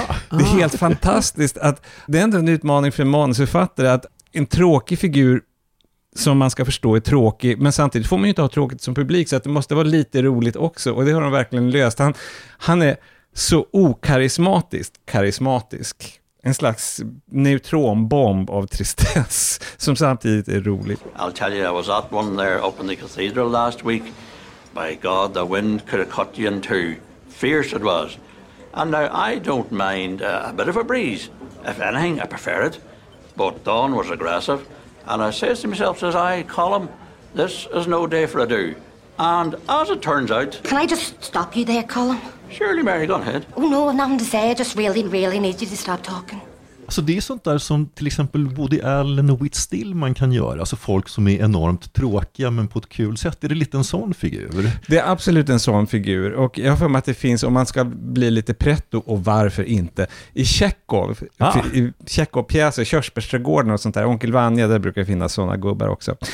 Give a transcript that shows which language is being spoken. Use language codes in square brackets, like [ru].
[sv] Det är helt fantastiskt att det är ändå en utmaning för en manusförfattare, att en tråkig figur som man ska förstå är tråkig, men samtidigt får man ju inte ha tråkigt som publik, så att det måste vara lite roligt också, och det har de verkligen löst. Han är så okarismatiskt karismatisk. En slags neutronbomb av tristess som samtidigt är rolig. [en] I'll tell you, I was at one there up in the cathedral last week. By God, the wind could have cut you in two. Fierce it was. And now, I don't mind a bit of a breeze. If anything, I prefer it. But Dawn was aggressive. And I says to myself, says I, Colm, this is no day for a do. And as it turns out... Can I just stop you there, Colm? Surely, Mary, go ahead. Oh no, nothing to say. I just really, really need you to stop talking. [sv] Alltså det är sånt där som till exempel Woody Allen och Whit Still man kan göra. Alltså folk som är enormt tråkiga men på ett kul sätt. Är det lite en sån figur? Det är absolut en sån figur. Och jag har för mig att det finns, om man ska bli lite pretto, och varför inte, i Tjechov, i Tjechov-pjäser, Körsbärsträdgården och sånt där, Onkel Vanja, där brukar det finnas såna gubbar också.